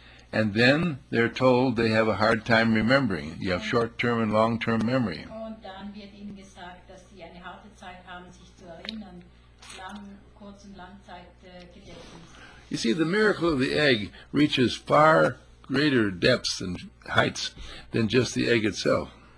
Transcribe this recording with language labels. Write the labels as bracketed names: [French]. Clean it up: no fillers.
[English] And then they're told they have a hard time remembering. You have short-term and long-term memory. [German] Und dann wird ihnen gesagt, dass sie eine harte Zeit haben, sich zu erinnern. Kurz- und Langzeitgedächtnis. [English] You see, the miracle of the egg reaches far greater depths and heights than just the egg itself.